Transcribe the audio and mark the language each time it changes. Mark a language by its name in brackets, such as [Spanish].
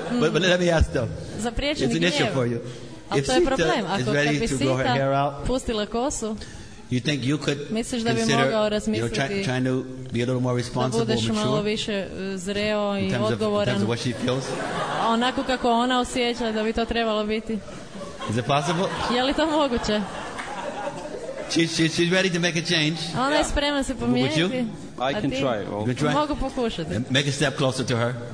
[English] But let me ask though. [Croatian] Zapriječeni [English] gnjev. It's an issue for you. [Croatian] If to je problem. Ako [English] is ready to grow her hair out. [Croatian] Pustila kosu. [English] You think you could consider trying to be a little more responsible, [Croatian] malo više zreo i odgovoran. [English] In terms of what she feels? [Croatian] Onako kako ona osjeća da bi to trebalo biti. [English] Is it possible? [Croatian] Je li to moguće? [English] She's ready to make a change. [Croatian] Ona je spremna se pomijeniti. [English] I can try. You can try. [Croatian] Mogu pokušati. [English] Make a step closer to her.